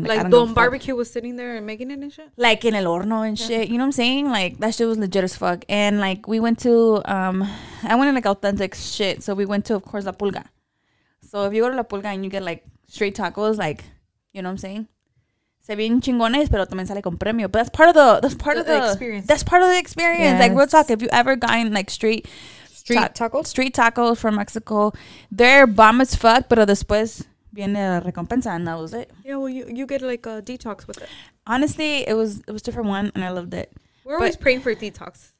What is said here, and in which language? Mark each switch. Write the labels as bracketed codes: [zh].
[en] Like the barbecue was sitting there and making it and shit. Like in [es] el horno [en] and shit. You know what I'm saying? Like that shit was legit as fuck. And like we went to, I went in like authentic shit. So we went to, of course, La Pulga. So if you go to La Pulga and you get like straight tacos, like, you know what I'm saying? [es] Se bien chingones, pero también sale con premio. [en] But that's part of the experience. Yes. Like real talk, if you ever gotten like street tacos from Mexico, they're bomb as fuck, [es] pero después viene la recompensa, [en] and that was it. Yeah, well, you get like a detox with it. Honestly, it was different one, and I loved it. We're always praying for a detox.